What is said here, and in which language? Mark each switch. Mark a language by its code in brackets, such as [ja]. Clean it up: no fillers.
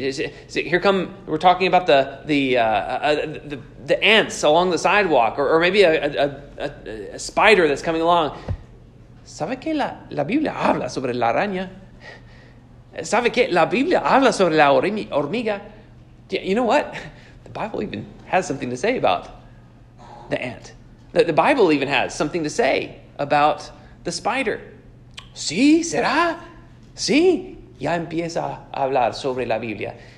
[en] We're talking about the ants along the sidewalk, or maybe a spider that's coming along. [es] ¿Sabe que la Biblia habla sobre la araña? ¿Sabe que la Biblia habla sobre la hormiga? [en] You know what? The Bible even has something to say about the ant. The Bible even has something to say about the spider. [es] ¿Sí? ¿Será? Sí, ya empieza a hablar sobre la Biblia.